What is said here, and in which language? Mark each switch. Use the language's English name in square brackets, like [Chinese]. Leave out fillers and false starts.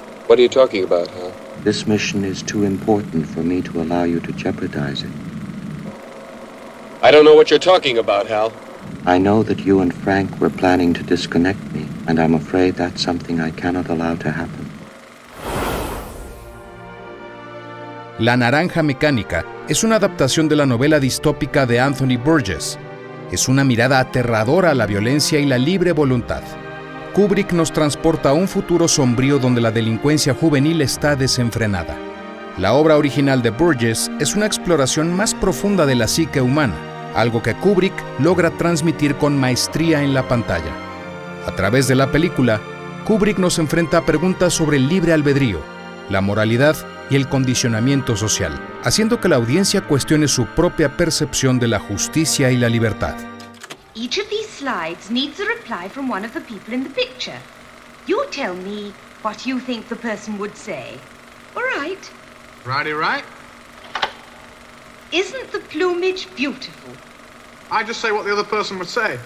[English] What are you talking about, Hal? This mission is too important for me to allow you to jeopardize it. I don't know what you're talking about, Hal. I know that you and Frank were planning to disconnect me, and I'm afraid that's something I cannot allow to happen. [Spanish] La Naranja Mecánica es una adaptación de la novela distópica de Anthony Burgess. Es una mirada aterradora a la violencia y la libre voluntad. Kubrick nos transporta a un futuro sombrío donde la delincuencia juvenil está desenfrenada. La obra original de Burgess es una exploración más profunda de la psique humana, algo que Kubrick logra transmitir con maestría en la pantalla. A través de la película, Kubrick nos enfrenta a preguntas sobre el libre albedrío, la moralidad y el condicionamiento social, haciendo que la audiencia cuestione su propia percepción de la justicia y la libertad. [English] Each of these slides needs a reply from one of the people in the picture. You tell me what you think the person would say. All right. Righty right. Isn't the plumage beautiful? I just say what the other person would say.